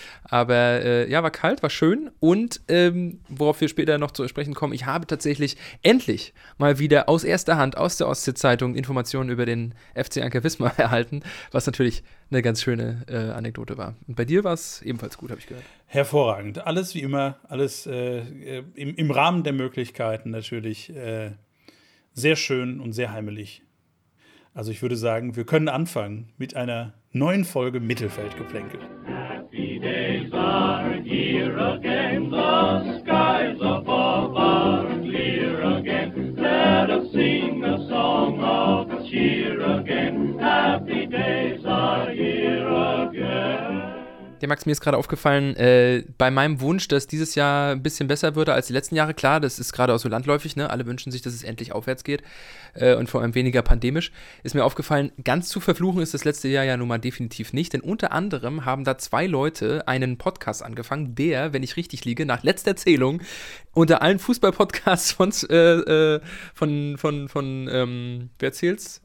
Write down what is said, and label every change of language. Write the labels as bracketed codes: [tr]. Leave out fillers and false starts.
[de] Aber war kalt, war schön. Und worauf wir später noch zu sprechen kommen, ich habe tatsächlich endlich mal wieder aus erster Hand aus der Ostsee-Zeitung Informationen über den FC Anker Wismar erhalten, was natürlich eine ganz schöne Anekdote war. Und bei dir war es ebenfalls gut, habe ich gehört. Hervorragend. Alles wie immer, alles im Rahmen der Möglichkeiten natürlich. Sehr schön und sehr heimelig. Also ich würde sagen, wir können anfangen mit einer neuen Folge Mittelfeldgeplänkel. [en] Happy days are here again, the skies above are clear again. Let us sing a song of cheer again. Happy days are here again. [de] Ja, Max, mir ist gerade aufgefallen, bei meinem Wunsch, dass dieses Jahr ein bisschen besser würde als die letzten Jahre, klar, das ist gerade auch so landläufig, ne? Alle wünschen sich, dass es endlich aufwärts geht und vor allem weniger pandemisch, ist mir aufgefallen, ganz zu verfluchen ist das letzte Jahr ja nun mal definitiv nicht, denn unter anderem haben da 2 Leute einen Podcast angefangen, der, wenn ich richtig liege, nach letzter Zählung unter allen Fußball-Podcasts wer zählt's?